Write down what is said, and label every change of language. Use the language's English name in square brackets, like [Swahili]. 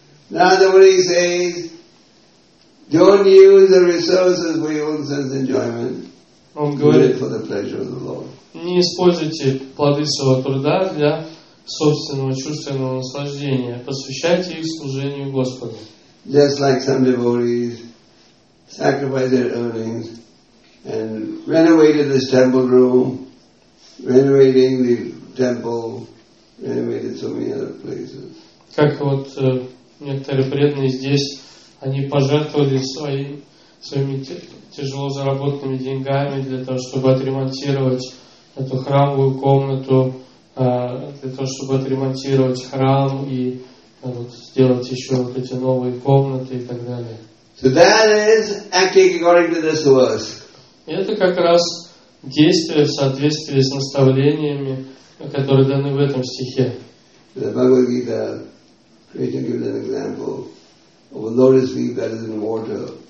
[English] Nandamuni says, don't use the resources for your own sense enjoyment. [Russian] Он говорит, [English] for the pleasure of the Lord. [Russian] Не используйте плоды своего труда для собственного чувственного наслаждения. Посвящайте их служению Господу. [English] Just like some devotees sacrifice their earnings and renovated this temple room, renovating the temple, renovated so many other places. [Russian] Как вот некоторые преданные здесь, они пожертвовали своими тяжело заработанными деньгами для того, чтобы отремонтировать эту храмовую комнату, для того, чтобы отремонтировать храм и вот, сделать еще вот эти новые комнаты и так далее. [English] So that is acting according to this verse. [Russian] И это как раз действие в соответствии с наставлениями, которые даны в этом стихе. [English] The Bhagavad Gita, Krishna gives an example of a lotus leaf that is in water.